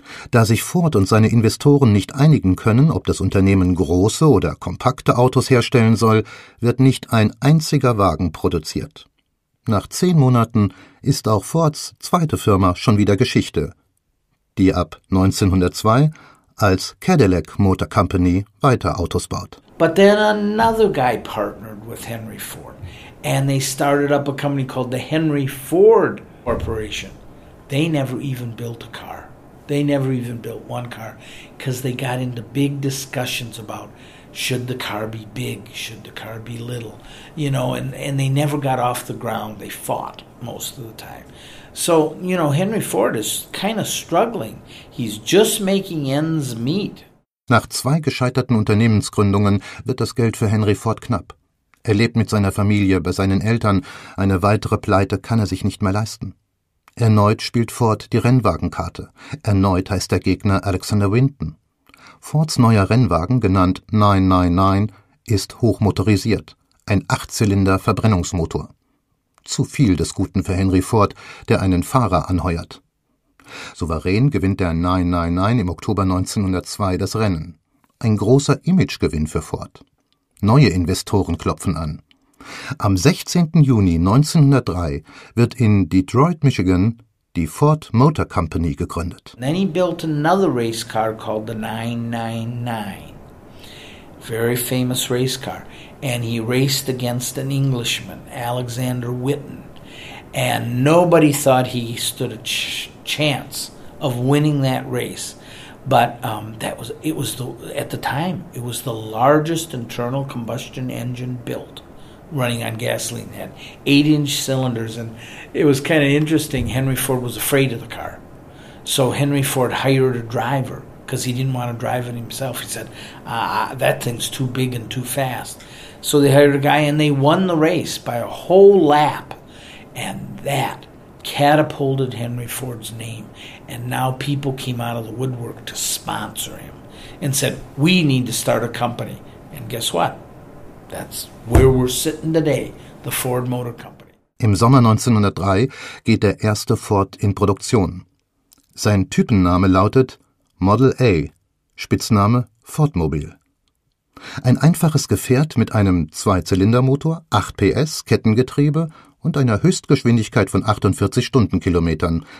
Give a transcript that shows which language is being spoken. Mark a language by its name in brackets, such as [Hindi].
[German] Da sich Ford und seine Investoren nicht einigen können, ob das Unternehmen große oder kompakte Autos herstellen soll, wird nicht ein einziger Wagen produziert. Nach 10 Monaten ist auch Fords zweite Firma schon wieder Geschichte, die ab 1902 als Cadillac Motor Company weiter Autos baut. [English] But then another guy partnered with Henry Ford. And they started up a company called the Henry Ford Corporation. They never even built a car. They never even built one car because they got into big discussions about should the car be big, should the car be little, you know, and they never got off the ground. They fought most of the time. So, you know, Henry Ford is kind of struggling. He's just making ends meet. [German] Nach 2 gescheiterten Unternehmensgründungen wird das Geld für Henry Ford knapp. Er lebt mit seiner Familie bei seinen Eltern. Eine weitere Pleite kann er sich nicht mehr leisten. Erneut spielt Ford die Rennwagenkarte. Erneut heißt der Gegner Alexander Winton. Fords neuer Rennwagen, genannt 999, ist hochmotorisiert. Ein 8-Zylinder-Verbrennungsmotor. Zu viel des Guten für Henry Ford, der einen Fahrer anheuert. Souverän gewinnt der 999 im Oktober 1902 das Rennen. Ein großer Imagegewinn für Ford. Neue Investoren klopfen an. Am 16. Juni 1903 wird in Detroit, Michigan, die Ford Motor Company gegründet. [English] Then he built another race car called the 999. Very famous race car. And he raced against an Englishman, Alexander Winton. And nobody thought he stood a chance of winning that race. But it was the largest internal combustion engine built, running on gasoline. It had 8-inch cylinders, and it was kind of interesting. Henry Ford was afraid of the car, so Henry Ford hired a driver because he didn't want to drive it himself. He said, "That thing's too big and too fast." So they hired a guy, and they won the race by a whole lap, and that catapulted Henry Ford's name, and now people came out of the woodwork to sponsor him and said, we need to start a company. And guess what? That's where we're sitting today, the Ford Motor Company. [German] Im Sommer 1903 geht der erste Ford in Produktion. Sein Typenname lautet Model A, Spitzname Fordmobil. Ein einfaches Gefährt mit einem 2-Zylinder-Motor, 8 PS, Kettengetriebe und einer Höchstgeschwindigkeit von 48 Stundenkilometern.